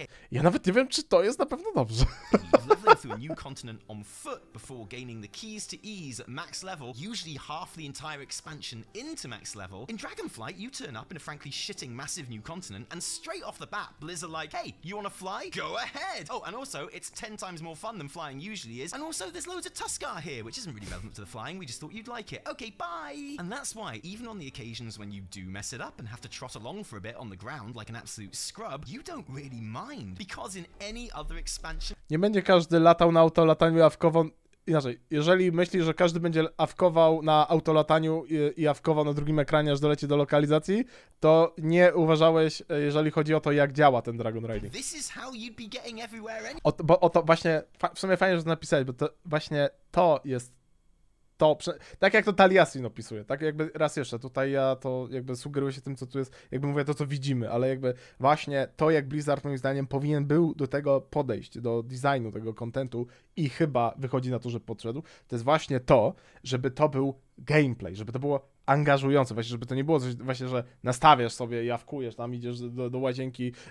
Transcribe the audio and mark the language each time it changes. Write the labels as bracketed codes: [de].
[pl] Ja nawet nie wiem, czy to jest na pewno dobrze. [en] Through a new continent on foot before gaining the keys to ease at max level, usually half the entire expansion into max level. In Dragonflight, you turn up in a frankly shitting massive new continent, and straight off the bat, Blizzard like, hey, you wanna fly? Go ahead! Oh, and also, it's 10 times more fun than flying usually is, and also there's loads of Tuskar here, which isn't really relevant to the flying, we just thought you'd like it. Okay, bye! And that's why, even on the occasions when you do mess it up and have to trot along for a bit on the ground like an absolute scrub, you don't really mind, because in any other expansion... [pl] Nie będzie każdy latał na autolataniu i awkował... Inaczej, jeżeli myślisz, że każdy będzie awkował na autolataniu i awkował na drugim ekranie, aż doleci do lokalizacji, to nie uważałeś, jeżeli chodzi o to, jak działa ten Dragon Riding. [en] This is how you'd be getting everywhere anyway. [pl] W sumie fajnie, że to napisałeś, bo to właśnie to jest to... Tak jak to Taliesin opisuje, tak jakby raz jeszcze, tutaj ja to jakby sugeruję się tym, co tu jest, jakby mówię to, co widzimy, ale jakby właśnie to, jak Blizzard moim zdaniem powinien był do tego podejść, do designu tego kontentu i chyba wychodzi na to, że podszedł, to jest właśnie to, żeby to był gameplay, żeby to było angażujące, właśnie, żeby to nie było coś, właśnie, że nastawiasz sobie, jawkujesz, tam idziesz do łazienki,